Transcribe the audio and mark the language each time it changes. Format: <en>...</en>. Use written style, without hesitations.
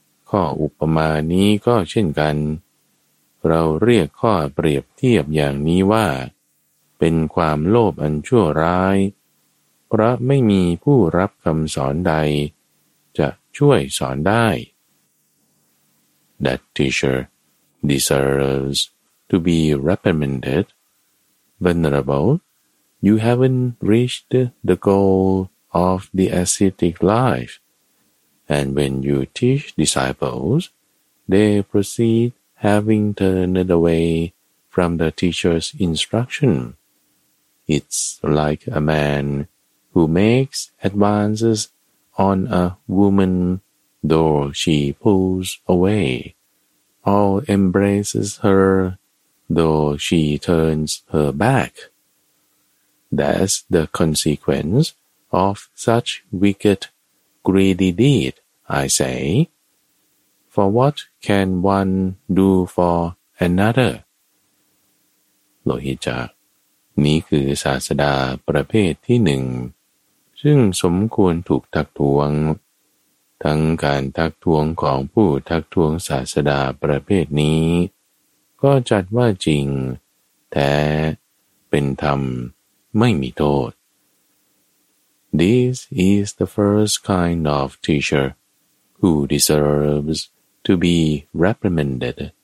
<th>ข้ออุปมานี้ก็เช่นกันเราเรียกข้อเปรียบเทียบอย่างนี้ว่าเป็นความโลภอันชั่วร้ายเพราะไม่มีผู้รับคำสอนใดจะช่วยสอนได้</th> <en>That teacher deserves to be reprimanded. Venerable, you haven't reached the goal of the ascetic life. And when you teach disciples, they proceedHaving turned away from the teacher's instruction, it's like a man who makes advances on a woman though she pulls away, or embraces her though she turns her back. That's the consequence of such wicked, greedy deed, I say. For what can one do for another?</en> <th>Lohicca นี้คือศาสดาประเภทที่หนึ่ง ซึ่งสมควรถูกทักท้วงทั้งการทักท้วงของผู้ทักท้วงศาสดาประเภทนี้ก็จัดว่าจริงแท้เป็นธรรมไม่มีโทษ</th> <en>This is the first kind of teacher who deserves to be reprimanded</en>